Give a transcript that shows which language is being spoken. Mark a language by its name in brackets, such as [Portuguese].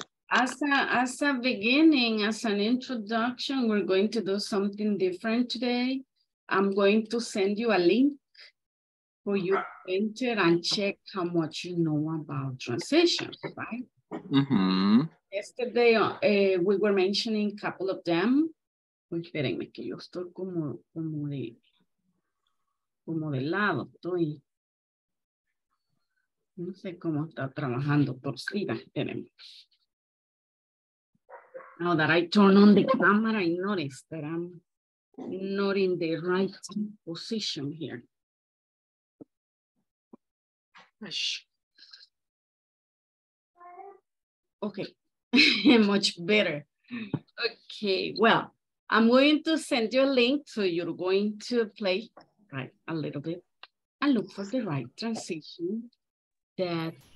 [English] As a beginning, as an introduction, we're going to do something different today. I'm going to send you a link for you to enter and check how much you know about transitions, right? Mm-hmm. Yesterday, we were mentioning a couple of them. [Spanish] Espérenme que yo estoy como de lado, estoy. No sé cómo está trabajando por Siva, espérenme. [English] Now that I turn on the camera, I notice that I'm not in the right position here. Okay, much better. Okay, well, I'm going to send you a link so you're going to play right a little bit and look for the right transition that...